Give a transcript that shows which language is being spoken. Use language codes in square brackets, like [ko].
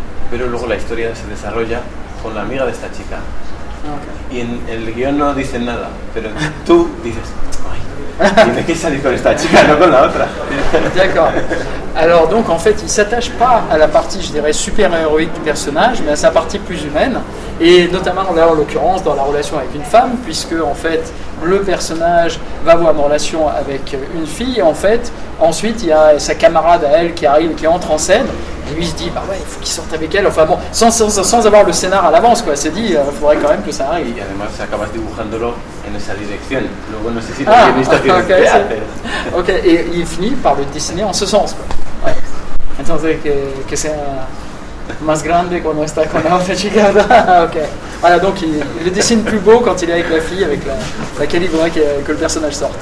[es] Pero luego la historia se desarrolla con la amiga de esta chica. Okay. Y en el guión no dicen nada, pero tú dices, ay, tiene que salir con esta chica, no con la otra. [fr] D'accord. Alors donc en fait, il s'attache pas à la partie, je dirais, super-héroïque du personnage, mais à sa partie plus humaine, et notamment là en l'occurrence dans la relation avec une femme, puisque en fait le personnage va avoir une relation avec une fille, et en fait ensuite il y a sa camarade à elle qui arrive, qui entre en scène, et lui se dit bah ouais, il faut qu'il sorte avec elle, enfin bon, sans avoir le scénar à l'avance quoi, c'est dit, il faudrait quand même que ça arrive. [es] Et además se acabas dibujándolo en esa dirección, luego no sé si también está bien. [fr] Ok, et il finit par le dessiner en ce sens quoi. [es] Entonces que sea más grande cuando está con la otra chica. [fr] Ok. Voilà, donc il le dessine plus beau quand il est avec la fille, avec laquelle il voudrait que le personnage sorte.